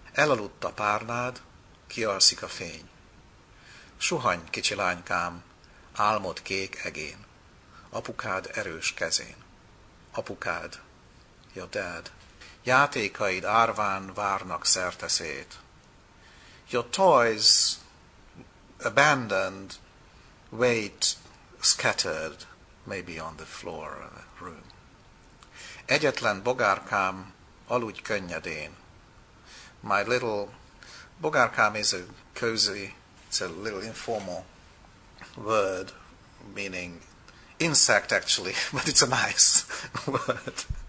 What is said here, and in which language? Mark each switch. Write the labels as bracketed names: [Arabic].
[Hungarian] Elaludt a párnád, kialszik a fény. Suhany kicsi lánykám, álmod kék egén. Apukád erős kezén. Apukád, [English] your dad. [Hungarian] Játékaid árván várnak szerteszét. [English] Your toys abandoned, wait scattered, maybe on the floor of the room. [Hungarian] Egyetlen bogárkám, aludj könnyedén. [English] My little bogárkám is a cozy, it's a little informal word meaning insect actually, but it's a nice word.